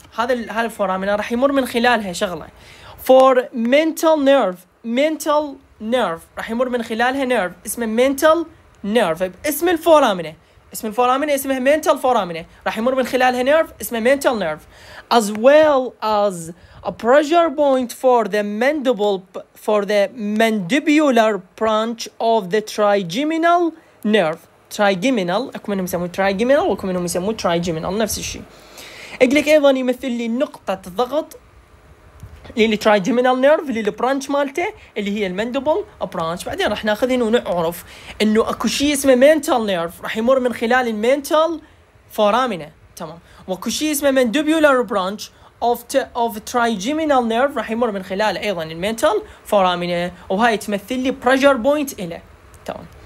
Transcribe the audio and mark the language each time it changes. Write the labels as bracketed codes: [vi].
[ar] هذا الفورامينا راح يمر من خلالها شغله. [en] For mental nerve. mental nerve راح يمر من خلالها نيرف اسمه mental nerve. [ar] اسم الفورامينا اسمها mental فورامينا، راح يمر من خلالها نيرف اسمه mental nerve. [en] As well as a pressure point for the mandible mandibular branch of the trigeminal nerve. [ar] trigeminal اكو منهم يسموه trigeminal واكو منهم يسموه trigeminal نفس الشيء. اقلك ايضا يمثل لي نقطة ضغط للي ترايجيمينال نيرف للبرانش مالته اللي هي المندبل برانش. بعدين راح ناخذين ونعرف انه اكو شيء اسمه مينتال نيرف راح يمر من خلال المينتال فورامينا تمام، واكو شيء اسمه مندبولار برانش of trigeminal nerve راح يمر من خلال ايضا المينتال فورامينا، وهاي تمثل لي بريشر بوينت اله تمام.